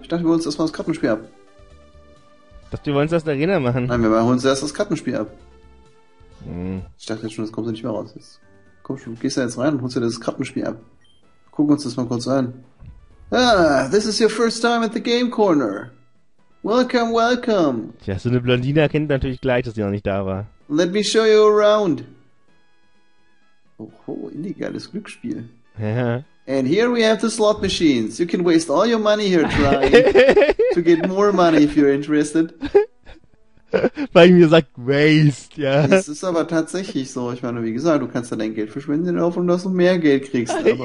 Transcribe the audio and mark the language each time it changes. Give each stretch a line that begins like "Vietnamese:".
German: Ich dachte, wir holen uns erstmal das Kartenspiel ab. Ich dachte, wir wollen es erst in der Arena machen. Nein, wir holen uns erst das Kartenspiel ab. Ich dachte jetzt schon, das kommt nicht mehr raus. Jetzt. Komm schon, du gehst da jetzt rein und holst dir das Kartenspiel ab. Gucken uns das mal kurz an.
English: Ah, this is your first time at the Game Corner. Welcome, welcome.
German: Tja, so eine Blondine erkennt natürlich gleich, dass sie noch nicht da war.
English: Let me show you around.
German: Oh, illegales Glücksspiel. Ja.
English: And here we have the slot machines. You can waste all your money here trying to get more money if you're interested.
German: Weil mir sagt waste, ja. Das ist aber tatsächlich so. Ich meine, wie gesagt, du kannst da dein Geld verschwenden und hoffen, dass du mehr Geld kriegst.